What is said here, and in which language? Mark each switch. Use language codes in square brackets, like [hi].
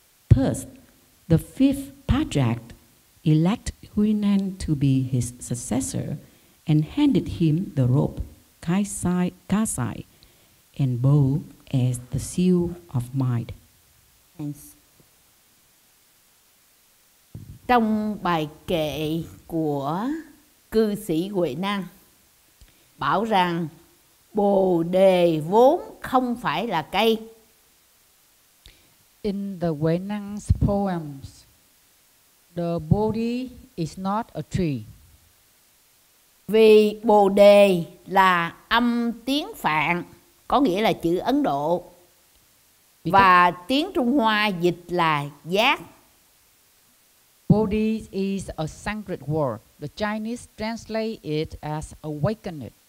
[en] Thus, the fifth patriarch elected Hunan to be his successor and handed him the robe, Kasai, and bow as the seal of might. [vi] Trong bài kệ của cư sĩ Huệ Năng bảo rằng Bồ đề vốn không phải là cây. [en] In the Huệ Năng's poems, the Bodhi is not a tree. [vi] Vì Bồ đề là âm tiếng Phạn, có nghĩa là chữ Ấn Độ. Và tiếng Trung Hoa dịch là giác. [en] Bodhi is a Sanskrit word. The Chinese translate it as awakened.